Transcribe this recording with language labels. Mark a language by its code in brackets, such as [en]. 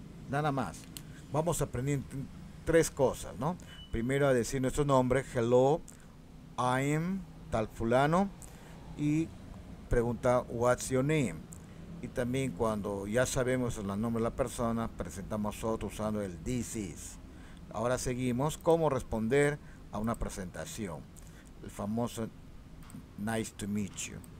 [es] Nada más. Vamos a aprender tres cosas, ¿no? Primero a decir nuestro nombre. [en] Hello, I am [es] tal fulano. Y pregunta, [en] what's your name? [es] Y también cuando ya sabemos el nombre de la persona, presentamos otro usando el [en] this is. [es] Ahora seguimos. ¿Cómo responder a una presentación? El famoso [en] nice to meet you.